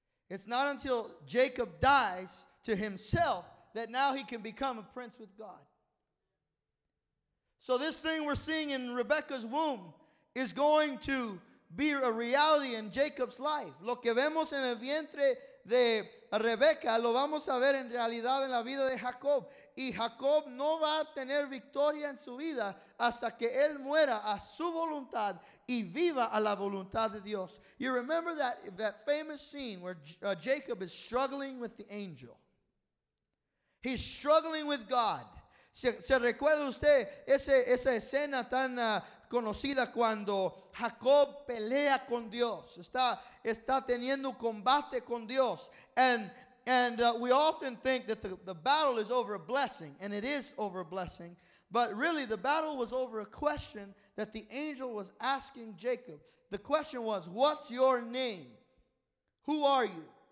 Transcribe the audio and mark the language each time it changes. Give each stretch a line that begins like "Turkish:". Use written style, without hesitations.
English: It's not until Jacob dies to himself that now he can become a prince with God. So this thing we're seeing in Rebekah's womb is going to be a reality in Jacob's life.
Spanish: Lo que vemos en el vientre de Rebeca lo vamos a ver en realidad en la vida de Jacob. Y Jacob no va a tener victoria en su vida hasta que él muera a su voluntad y viva a la voluntad de Dios.
English: You remember that famous scene where Jacob is struggling with the angel. He's struggling with God.
Spanish: ¿Se recuerda usted esa escena tan conocida cuando Jacob pelea con Dios? Está teniendo combate con Dios.
English: And we often think that the battle is over a blessing, and it is over a blessing. But really, the battle was over a question that the angel was asking Jacob. The question was, what's your name? Who are you?